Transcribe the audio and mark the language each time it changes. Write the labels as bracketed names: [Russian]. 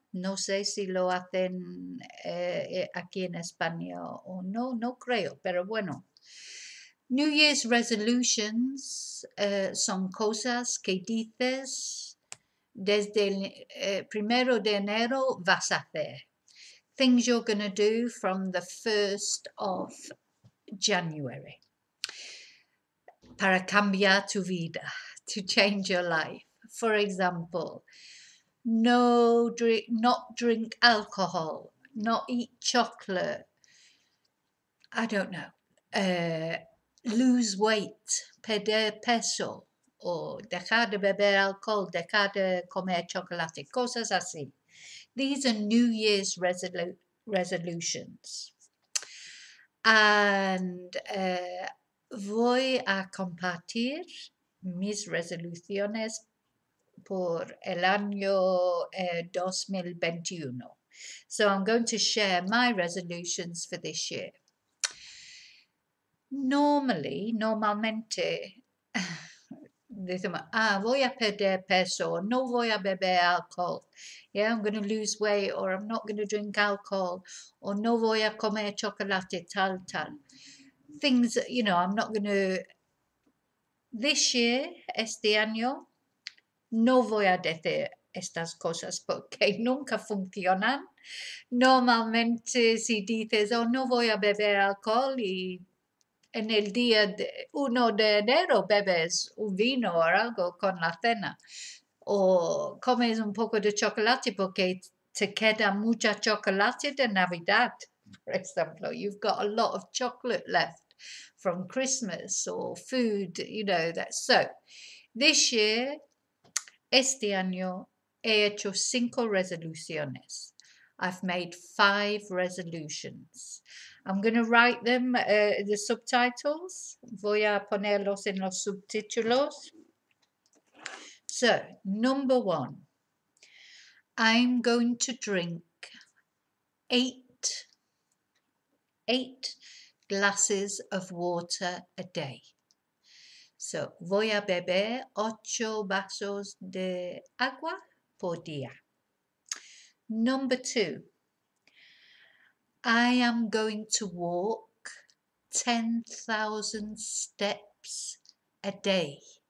[Spanish] No sé si lo hacen aquí en España o no, no creo, pero bueno. New Year's resolutions son cosas que dices desde el primero de enero vas a hacer. [English] Things you're going to do from the 1st of January. [Spanish] Para cambiar tu vida, [English] to change your life. For example, not drink alcohol, not eat chocolate, I don't know, lose weight, [Spanish] perder peso, o dejar de beber alcohol, dejar de comer chocolate, cosas así. [English] These are New Year's resolutions. [Spanish] And voy a compartir mis resoluciones por el año 2021. [English] So I'm going to share my resolutions for this year. [Spanish] Normalmente, decimos, voy a perder peso, no voy a beber alcohol. [English] Yeah, I'm going to lose weight, or I'm not going to drink alcohol, or [Spanish] no voy a comer chocolate, tal, tal. [English] Things, you know, I'm not going to... This year, [Spanish] este año, no voy a decir estas cosas porque nunca funcionan. Normalmente, si dices, oh, no voy a beber alcohol y en el día 1 de enero bebes un vino o algo con la cena. O comes un poco de chocolate porque te queda mucha chocolate de Navidad, por ejemplo. [English] You've got a lot of chocolate left from Christmas or food, you know. So, this year... [Spanish] Este año he hecho 5 resoluciones. [English] I've made 5 resolutions. I'm going to write them the subtitles. [Spanish] Voy a ponerlos en los subtítulos. [English] So, number 1. I'm going to drink 8 glasses of water a day. [Spanish] So, voy a beber 8 vasos de agua por día. [English] Number 2. I am going to walk 10,000 steps a day.